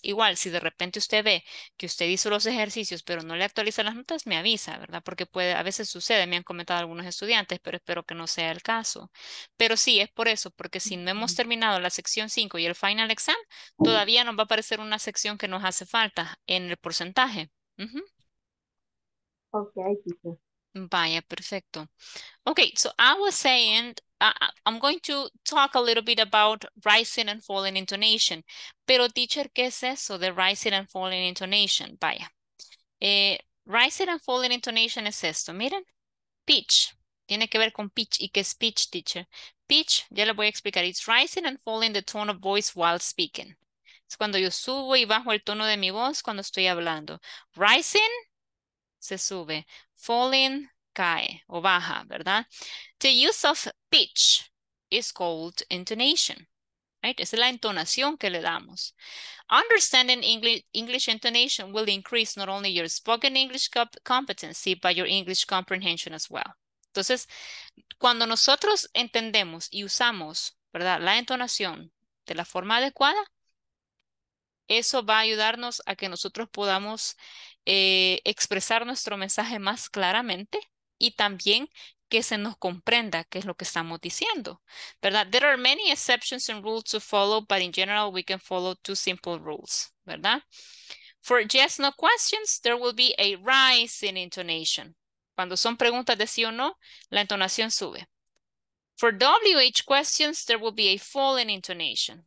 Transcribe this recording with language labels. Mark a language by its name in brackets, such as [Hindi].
[Spanish] Igual, si de repente usted ve que usted hizo los ejercicios, pero no le actualiza las notas, me avisa, ¿verdad? Porque puede, a veces sucede, me han comentado algunos estudiantes, pero espero que no sea el caso. Pero sí, es por eso, porque si no hemos terminado la sección 5 y el final exam, todavía nos va a aparecer una sección que nos hace falta en el porcentaje. Uh-huh. [English] Okay, [Spanish] vaya, perfecto. [English] Okay, so I was saying, I'm going to talk a little bit about rising and falling intonation. [Spanish] Pero teacher, ¿qué es eso de rising and falling intonation? Vaya. Rising and falling intonation es esto, miren. Pitch, tiene que ver con pitch. ¿Y qué es pitch, teacher? Pitch, ya le voy a explicar. [English] It's rising and falling the tone of voice while speaking. [Spanish] Es cuando yo subo y bajo el tono de mi voz cuando estoy hablando. Rising, se sube. Falling, cae o baja, ¿verdad? [English] The use of pitch is called intonation, right? [Spanish] Esa es la entonación que le damos. [English] Understanding English intonation will increase not only your spoken English competency, but your English comprehension as well. [Spanish] Entonces, cuando nosotros entendemos y usamos, ¿verdad?, la entonación de la forma adecuada, eso va a ayudarnos a que nosotros podamos expresar nuestro mensaje más claramente y también que se nos comprenda qué es lo que estamos diciendo, ¿verdad? [English] There are many exceptions and rules to follow, but in general we can follow 2 simple rules, ¿verdad? For yes, no questions, there will be a rise in intonation. [Spanish] Cuando son preguntas de sí o no, la entonación sube. [English] For WH questions, there will be a fall in intonation.